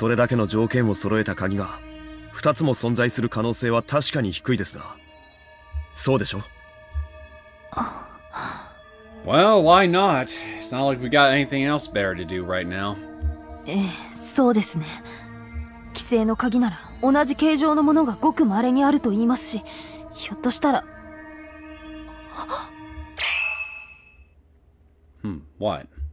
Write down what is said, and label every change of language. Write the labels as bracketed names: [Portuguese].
[Japanese] 諦めるのはまだ早いです。ひょっとしたらここ以外のロッカーかもしれません。俺も手伝いますので、この近辺に似たようなものがないか探してみ。ソリマチさん。同じメーカー、同じ形状、同じ番号。それだけの条件を揃えた鍵が 2つも存在する可能性は確かに低いですが。そうでしょ? [English] Well, why not? It's not like we got anything else better to do right now. [Japanese] そうですね。規制の鍵なら同じ形状のものがごく稀にあると言いますし、ひょっとしたら。 [English] What?